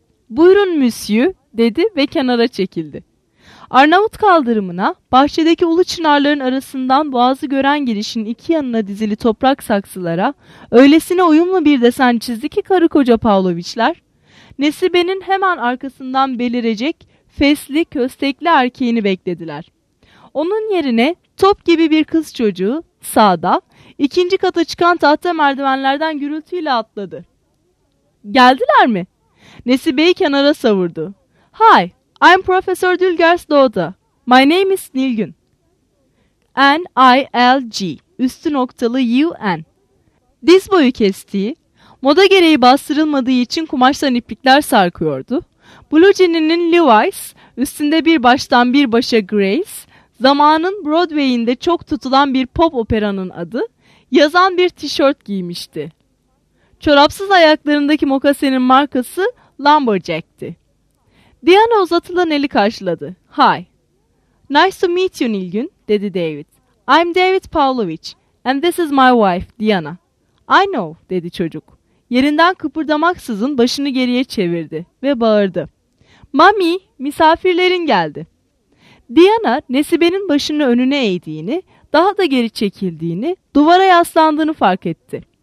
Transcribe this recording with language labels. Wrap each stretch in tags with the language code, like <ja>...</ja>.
<tr>''Buyurun Monsieur'' dedi ve kenara çekildi. Arnavut kaldırımına, bahçedeki ulu çınarların arasından boğazı gören girişin iki yanına dizili toprak saksılara öylesine uyumlu bir desen çizdi ki karı koca Pavlovich'ler, Nesibe'nin hemen arkasından belirecek fesli, köstekli erkeğini beklediler. Onun yerine top gibi bir kız çocuğu sağda, ikinci kata çıkan tahta merdivenlerden gürültüyle atladı. ''Geldiler mi?'' Nesibe'yi kenara savurdu.</tr> <en>''Hay! I'm Professor Dülger's daughter. My name is Nilgün. N-I-L-G,</en> <tr>üstü noktalı</tr> <en>U-N.</en> <tr>Diz boyu kestiği, moda gereği bastırılmadığı için kumaştan iplikler sarkıyordu. Blue jean'inin Levi's, üstünde bir baştan bir başa Grace, zamanın Broadway'inde çok tutulan bir pop operanın adı, yazan bir tişört giymişti. Çorapsız ayaklarındaki mokasenin markası Lumberjack'ti. Diana uzatılan eli karşıladı.</tr> <en>Hi. Nice to meet you Nilgün,</en> <tr>dedi</tr> <en>David. I'm David Pavlovich and this is my wife Diana. I know,</en> <tr>dedi çocuk. Yerinden kıpırdamaksızın başını geriye çevirdi ve bağırdı. Mami, misafirlerin geldi. Diana, Nesibe'nin başını önüne eğdiğini, daha da geri çekildiğini, duvara yaslandığını fark etti.</tr>